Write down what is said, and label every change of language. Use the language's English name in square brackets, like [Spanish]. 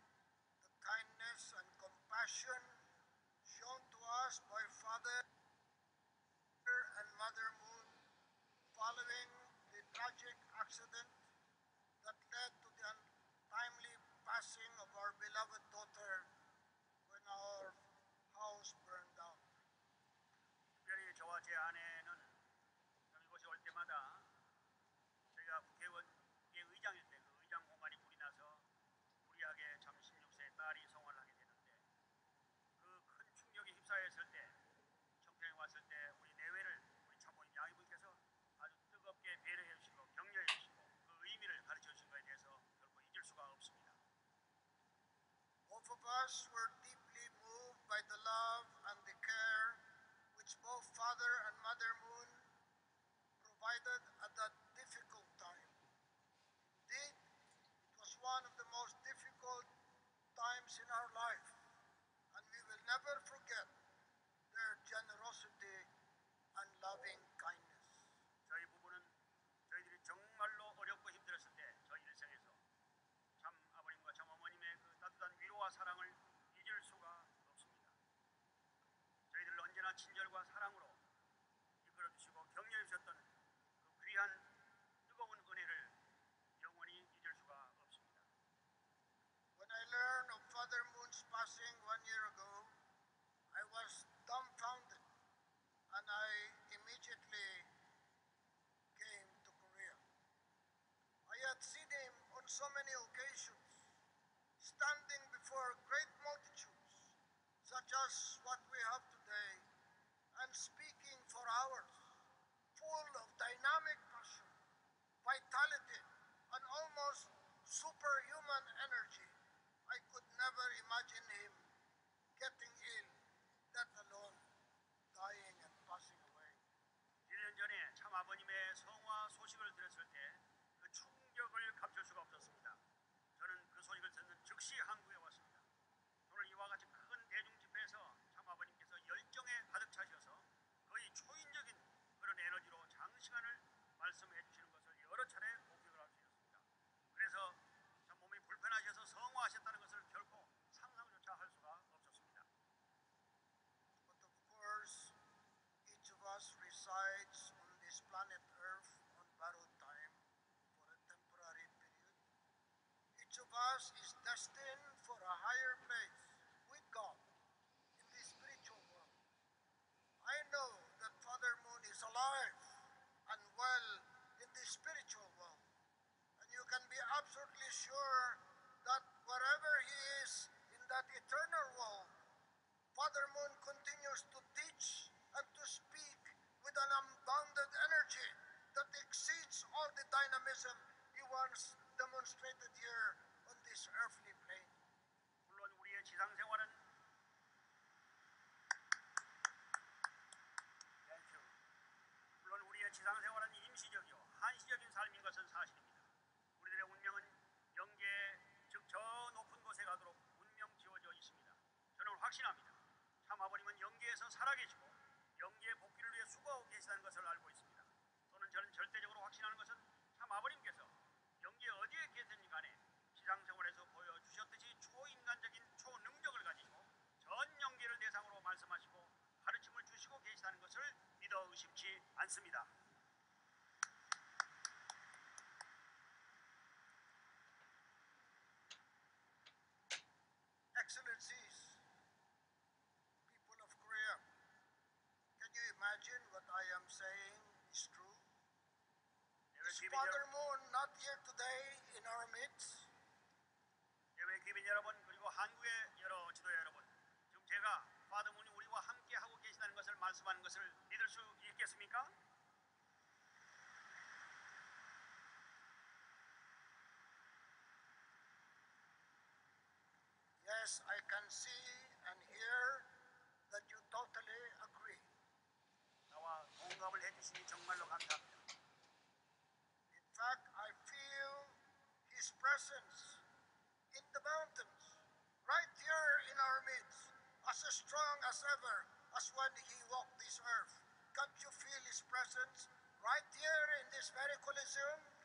[English] compassion shown to us by Father and Mother Moon following the tragic accident that led to the untimely passing of our beloved daughter when our house burned down. [Korean] 특별히 저와 제 아내는 이곳에 올 때마다 저희가 국회의원의 의장일 때 그 의장 공간이 불이 나서 무리하게 참 16세 딸이 성화를 하게 되는데 그 큰 충격에 휩싸였을 때 청평에 왔을 때 우리 내외를 우리 참모님 양이분께서 아주 뜨겁게 배려해 주시고 격려해 주시고 그 의미를 가르쳐 주신 것에 대해서 결코 잊을 수가 없습니다. [English] Both of us were deeply moved by the love and the care which both Father and Mother Moon provided at that difficult time. Indeed, it was one of the most difficult times in our life, and we will never forget their generosity and loving kindness. [Korean] 저희 부부는 저희들이 정말로 어렵고 힘들었을 때 저희 인생에서 참 아버님과 참 어머님의 그 따뜻한 위로와 사랑을 잊을 수가 없습니다. 저희들을 언제나 친절과 사랑으로 이끌어 주시고 격려해 주셨던 그 귀한 뜨거운 은혜를 영원히 잊을 수가 없습니다. [English] When I learned of Father Moon's passing 1 year ago, I was dumbfounded and I immediately came to Korea. I had seen him on so many occasions, standing before great multitudes, such as what we have today, and speaking for hours, full of dynamic passion, vitality, and almost superhuman energy. I could never imagine him getting ill, let alone dying and passing away. [Korean] 1년 전에 참 아버님의 성화 소식을 들었을 때 그 충격을 감출 수가 없었습니다. 저는 그 소식을 듣는 즉시 한국에 왔습니다. 오늘 이와 같이 큰 대중집회에서 참 아버님께서 열정에 가득 차셔서 거의 초인적인 그런 에너지로 장시간을 말씀해 주시는 것을 여러 차례 목격을 할 수 있었습니다. 그래서 참 몸이 불편하셔서 성화하셨다는 것을 결코 상상조차 할 수가 없었습니다. [English] But of course, each of us resides on this planet Earth on borrowed time for a temporary period. Each of us is destined for a higher place with God in this spiritual world. I know that Father Moon is alive and well in this spiritual world. And you can be absolutely sure that wherever he is in that eternal world, Father Moon continues to teach and to speak with an unbounded energy that exceeds all the dynamism he once demonstrated here on this earthly plane. [Korean] 물론 우리의 지상생활은 우리의 지상생활은 임시적이요 한시적인 삶인 것은 사실입니다. 우리들의 운명은 영계 즉 저 높은 곳에 가도록 운명 지어져 있습니다. 저는 확신합니다. 참 아버님은 영계에서 살아계시고 영계의 복귀를 위해 수고하고 계시다는 것을 알고 있습니다. 또는 저는 절대적으로 확신하는 것은 참 아버님께서 영계 어디에 계시든지 간에 지상생활에서 보여주셨듯이 초인간적인 초능력을 가지고 전 영계를 대상으로 말씀하시고 가르침을 주시고 계시다는 것을 믿어 의심치 않습니다. [English] Excellencies, people of Korea, can you imagine what I am saying is true? Is Father Moon not here today in our midst? [Korean] 여러분, 기빈 여러분, 그리고 한국의 여러 지도자 여러분, 지금 제가 파더 문이 우리와 함께 하고 계시다는 것을 말씀하는 것을 믿을 수 있겠습니까? [English] Yes, I can see and hear that you totally agree. [Korean] 나와 공감을 해 주시니 정말로 감사합니다. [English] In fact, I feel his presence in the mountains right here in our midst. As strong as ever, as when he walked this earth. Can't you feel his presence right here in this very Coliseum?